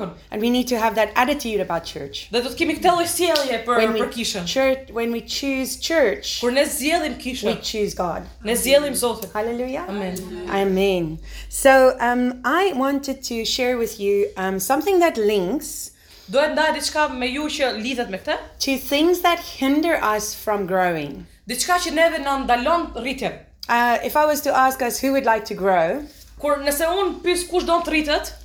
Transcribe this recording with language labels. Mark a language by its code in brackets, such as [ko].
[en] And we need to have that attitude about church. When we choose church, we choose God. Hallelujah. Amen. Amen. So I wanted to share with you something that links to things that hinder us from growing. [sq] Diçka që neve na ndalon rritjen. [en] If I was to ask us who would like to grow, [sq] kur nëse un pyes kush do të rritet,